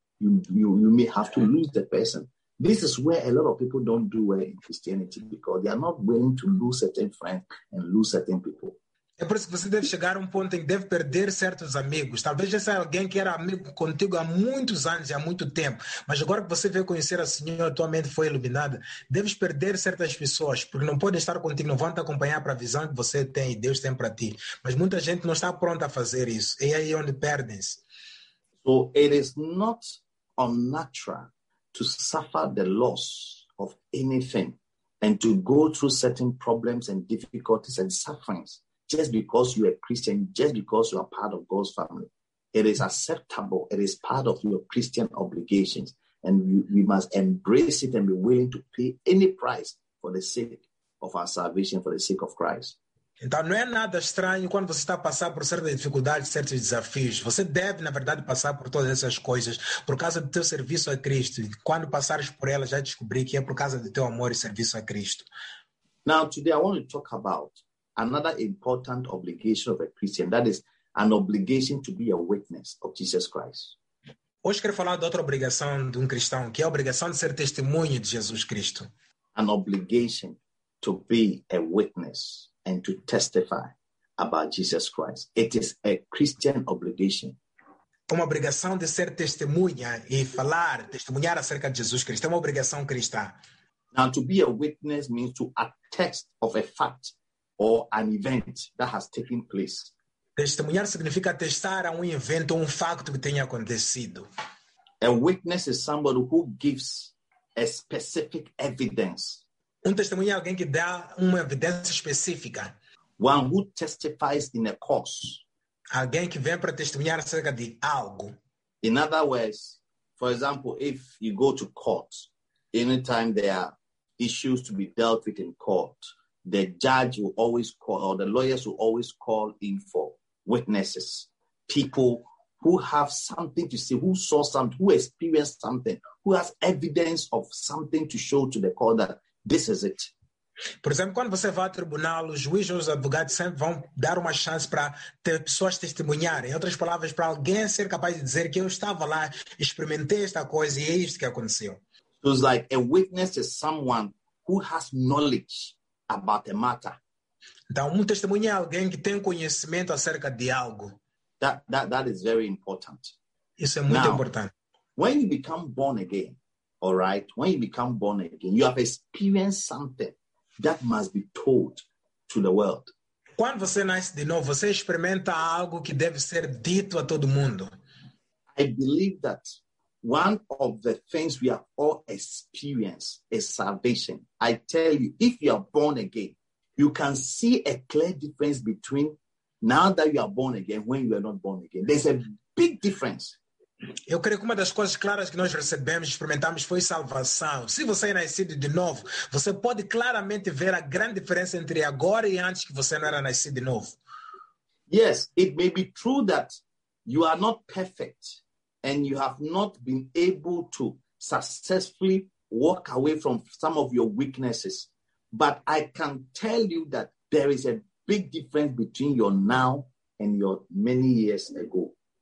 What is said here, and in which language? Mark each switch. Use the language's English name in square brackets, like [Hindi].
[English] You may have to lose the person. This is where a lot of people don't do well in Christianity, because they are not willing to lose certain friends and lose certain people. [Portuguese] É por isso que você deve chegar a um ponto em que deve perder certos amigos. Talvez esse é alguém que era amigo contigo há muitos anos e há muito tempo. Mas agora que você veio conhecer a Senhora, a tua mente foi iluminada, deves perder certas pessoas, porque não podem estar contigo, não vão te acompanhar para a visão que você tem e Deus tem para ti. Mas muita gente não está pronta a fazer isso. E aí é onde perdem-se. [English] So it is not unnatural to suffer the loss of anything and to go through certain problems and difficulties and sufferings. Just because you are Christian, just because you are part of God's family, it is acceptable. It is part of your Christian obligations. And we must embrace it and be willing to pay any price for the sake of our salvation, for the sake of Christ. [Portuguese] Então, não é nada estranho quando você está a passar por certas dificuldades, certos desafios. Você deve, na verdade, passar por todas essas coisas por causa do teu serviço a Cristo. E quando passares por elas, já descobri que é por causa do teu amor e serviço a Cristo. [English] Now, today I want to talk about another important obligation of a Christian, that is an obligation to be a witness of Jesus Christ. [Portuguese] Hoje quero falar de outra obrigação de cristão, que é a obrigação de ser testemunho de Jesus Cristo. [English] An obligation to be a witness and to testify about Jesus Christ. It is a Christian obligation. [Portuguese] Uma obrigação de ser testemunha e falar, testemunhar acerca de Jesus Cristo. É uma obrigação cristã. [English] Now, to be a witness means to attest of a fact or an event that has taken place. [Portuguese] Testemunhar significa testar a evento, um fato que tenha acontecido. [English] A witness is somebody who gives a specific evidence. [Portuguese] Testemunha é alguém que dá uma evidência específica. [English] One who testifies in a cause. [Portuguese] Alguém que vem para testemunhar acerca de algo. [English] In other words, for example, if you go to court, anytime there are issues to be dealt with in court, the judge will always call, or the lawyers will always call in for witnesses, people who have something to say, who saw something, who experienced something, who has evidence of something to show to the court that this is it. [Portuguese] Por exemplo, quando você vai ao tribunal, os juízes, os advogados sempre vão dar uma chance para ter pessoas testemunharem. Em outras palavras, para alguém ser capaz de dizer que eu estava lá, experimentei esta coisa e é isto que aconteceu. [English] So it's like a witness is someone who has knowledge about a matter. [Portuguese] Então, um testemunho é alguém que tem conhecimento acerca de algo. [English] That is very important. [Portuguese] Isso é muito importante. [English] When you become born again, all right, when you become born again, you have experienced something that must be told to the world. [Portuguese] Quando você nasce de novo, você experimenta algo que deve ser dito a todo mundo. [English] I believe that one of the things we have all experienced is salvation. I tell you, if you are born again, you can see a clear difference between now that you are born again, when you are not born again. There's a big difference. [Portuguese] Eu creio que uma das coisas claras que nós recebemos, experimentamos, foi salvação. Se você é nascido de novo, você pode claramente ver a grande diferença entre agora e antes que você não era nascido de novo. [English] Yes, it may be true that you are not perfect and you have not been able to successfully walk away from some of your weaknesses. But I can tell you that there is a big difference between your now and your many years ago.